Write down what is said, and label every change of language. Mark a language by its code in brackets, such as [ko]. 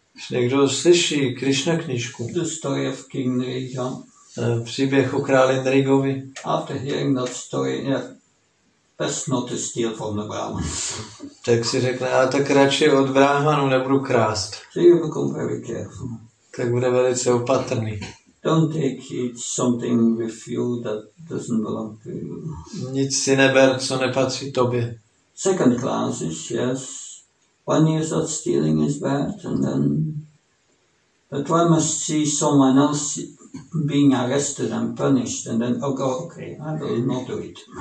[cs] Někdo slyší Krishna knížku. [en] The story of King Nrija. [cs] Příběh o králi Nrigovi. [en] After hearing that story, yeah. Best not to steal from the Brahman. [cs] Tak si řekne, ale tak radši od Brahmanu nebudu krást. [en] So you become very careful. [cs] Tak bude velice opatrný. [en] Don't take something with you that doesn't belong to you. [cs] Nic si neber, co nepatří tobě. [en] Second class is yes. One hears that stealing is bad, and then but one must see someone else being arrested and punished, and then okay, I will not do it.